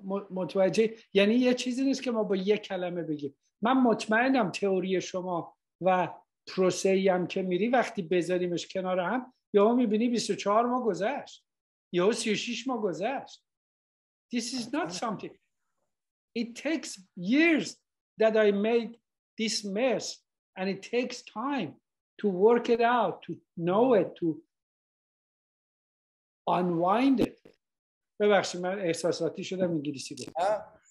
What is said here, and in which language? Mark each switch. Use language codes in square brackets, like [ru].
[fa] متوجه؟ یعنی یه چیزی نیست که ما با یک کلمه بگیم. من مطمئنم تئوری شما و پروسه‌ای هم که میری وقتی بذاریمش کنار هم یهو میبینی 24 ماه گذشت، یهو 36 ماه گذشت. [en] This is not something. It takes years that I made this mess and it takes time to work it out, to know it, to unwind it. [fa] ببخشید من احساساتی شدم انگلیسی گفتم.